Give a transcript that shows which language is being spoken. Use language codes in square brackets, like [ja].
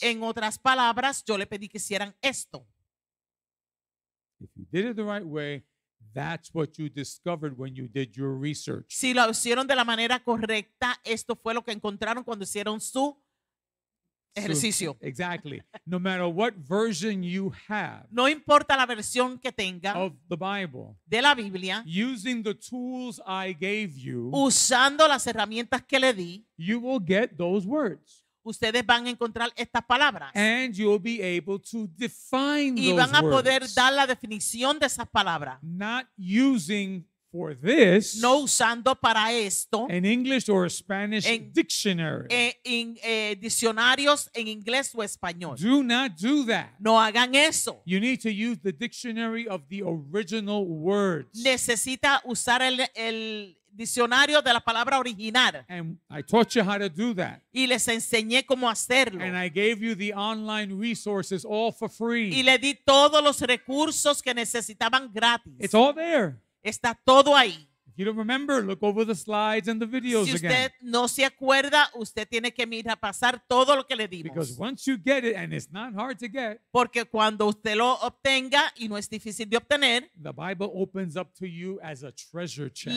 [es] En otras palabras, yo le pedí que hicieran esto. [en] If you did it the right way, that's what you discovered when you did your research. [es] Si lo hicieron de la manera correcta, esto fue lo que encontraron cuando hicieron su ejercicio. [en] So, exactly. No matter what version you have. [es] No importa la versión que tenga. [en] Of the Bible. [es] De la Biblia. [en] Using the tools I gave you. [es] Usando las herramientas que le di. [en] You will get those words. [es] Ustedes van a encontrar estas palabras. [en] And you'll be able to define those words. [es] Y van a poder dar la definición de esas palabras. [en] Not using for this. [es] No usando para esto. [en] An English or a Spanish dictionary. [es] Diccionarios en inglés o español. [en] Do not do that. [es] No hagan eso. [en] You need to use the dictionary of the original words. [es] Necesita usar el diccionario de la palabra original. [en] And I taught you how to do that. [es] Y les enseñé cómo hacerlo. [en] And I gave you the online resources all for free. [es] Y le di todos los recursos que necesitaban gratis. [en] It's all there. [es] Está todo ahí. [en] If you don't remember, look over the slides and the videos again. [es] Si usted no se acuerda, usted tiene que mirar pasar todo lo que le dimos. [en] Because once you get it, and it's not hard to get. [es] Porque cuando usted lo obtenga y no es difícil de obtener. [en] The Bible opens up to you as a treasure chest.